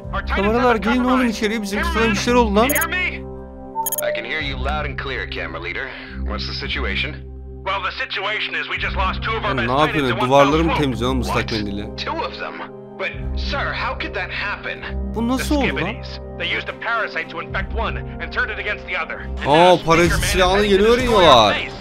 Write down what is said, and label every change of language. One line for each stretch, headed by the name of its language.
Turkish: Kameralar gelin oğlum içeriye bizim tutan bir şeyler oldu lan.
English: I can hear you loud and clear, camera leader. What's the situation? Well, the situation is we just lost two of our best titans in one fell swoop.
Turkish: Ne yapıyorsun? Duvarları mı temizliyorsun?
English: What? Two of them? But, sir, how could that happen?
Turkish: Bu nasıl oldu lan?
English: They used a parasite to infect one and turned it against the other.
Turkish: Aa, parazit silahını yeni öğreniyorlar.